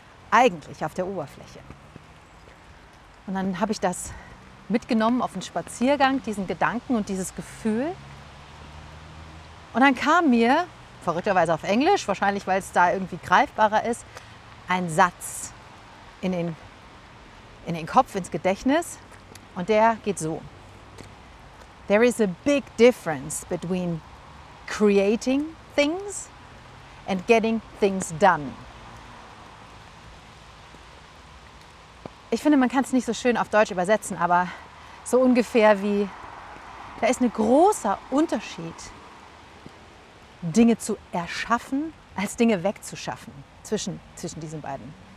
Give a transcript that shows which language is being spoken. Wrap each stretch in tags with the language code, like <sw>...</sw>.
<de>Eigentlich auf der Oberfläche. Und dann habe ich das mitgenommen auf den Spaziergang, diesen Gedanken und dieses Gefühl. Und dann kam mir, verrückterweise auf Englisch, wahrscheinlich weil es da irgendwie greifbarer ist, ein Satz in den Kopf, ins Gedächtnis. Und der geht so.</de> <en>There is a big difference between creating things and getting things done.</en> <de>Ich finde, man kann es nicht so schön auf Deutsch übersetzen, aber so ungefähr wie, da ist ein großer Unterschied, Dinge zu erschaffen, als Dinge wegzuschaffen zwischen diesen beiden.</de>